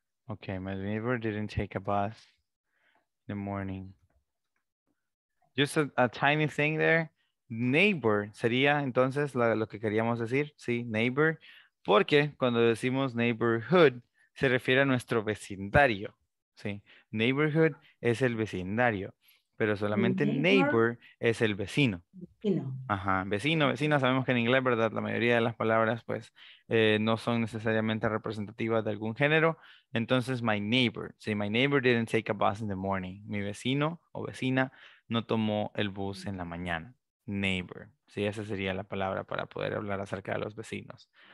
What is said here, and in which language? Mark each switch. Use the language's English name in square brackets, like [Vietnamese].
[English] Okay, my neighbor didn't take a bus in the morning. Just a tiny thing there. [Spanish] Neighbor sería entonces lo que queríamos decir, sí, neighbor. Porque cuando decimos neighborhood, se refiere a nuestro vecindario, sí. Neighborhood es el vecindario. Pero solamente neighbor es el vecino. Vecino. Ajá, vecino, vecina. Sabemos que en inglés, ¿verdad? La mayoría de las palabras, pues, no son necesariamente representativas de algún género. [English] Entonces, my neighbor. Sí, my neighbor didn't take a bus in the morning. [Spanish] Mi vecino o vecina no tomó el bus en la mañana. Neighbor. Sí, esa sería la palabra para poder hablar acerca de los vecinos.